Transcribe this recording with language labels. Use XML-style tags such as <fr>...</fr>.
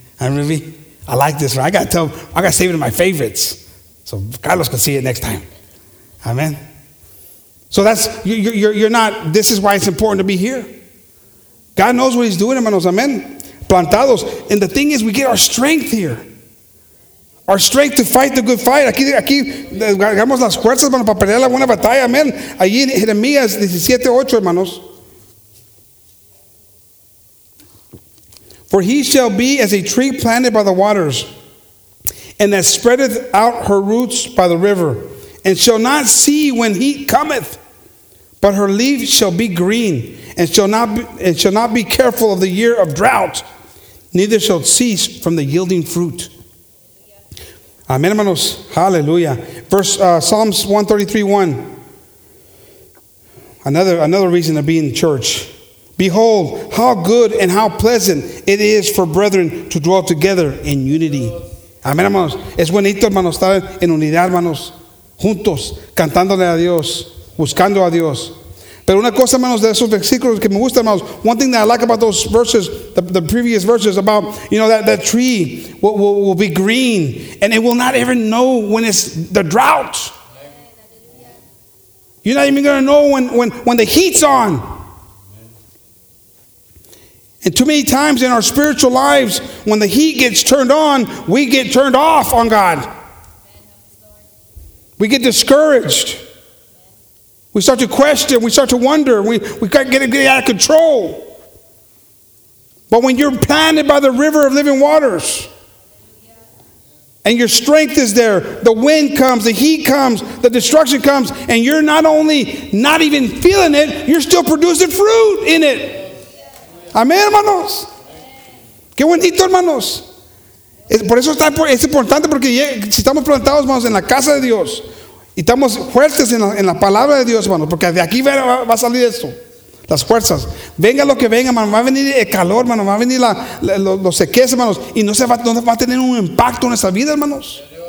<en>I really, I like this one. I got to save it in my favorites so Carlos can see it next time. Amen. So that's, you're not, this is why it's important to be here. God knows what he's doing, hermanos. Amen. Plantados. And the thing is, we get our strength here. Our strength to fight the good fight.</en> <es>Aquí agarramos las fuerzas, hermanos, para pelear la buena batalla. Amen. Allí en Jeremías 17:8, hermanos.</es> <en>For he shall be as a tree planted by the waters, and that spreadeth out her roots by the river, and shall not see when heat cometh, but her leaf shall be green, and shall not be careful of the year of drought, neither shall cease from the yielding fruit. Amen, yeah. Hermanos. Hallelujah. Verse Psalms 133:1. Another reason to be in church. Behold, how good and how pleasant it is for brethren to dwell together in unity.</en> <es>Amén, hermanos. Es bonito, hermanos, estar en unidad, hermanos. Juntos, cantándole a Dios, buscando a Dios. Pero una cosa, hermanos, de esos versículos que me gusta, hermanos.</es> <en>One thing that I like about those verses, the previous verses about, you know, that tree will be green. And it will not ever know when it's the drought. You're not even going to know when the heat's on. And too many times in our spiritual lives, when the heat gets turned on, we get turned off on God. We get discouraged. We start to question. We start to wonder. We get out of control. But when you're planted by the river of living waters, and your strength is there, the wind comes, the heat comes, the destruction comes, and you're not only not even feeling it, you're still producing fruit in it.</en> <es>Amén, hermanos. Qué bonito, hermanos. Por eso es importante, porque si estamos plantados, hermanos, en la casa de Dios, y estamos fuertes en la palabra de Dios, hermanos, porque de aquí va a salir esto, las fuerzas. Venga lo que venga, hermanos, va a venir el calor, hermanos, va a venir los sequías, hermanos, y no va a tener un impacto en nuestra vida, hermanos.</es>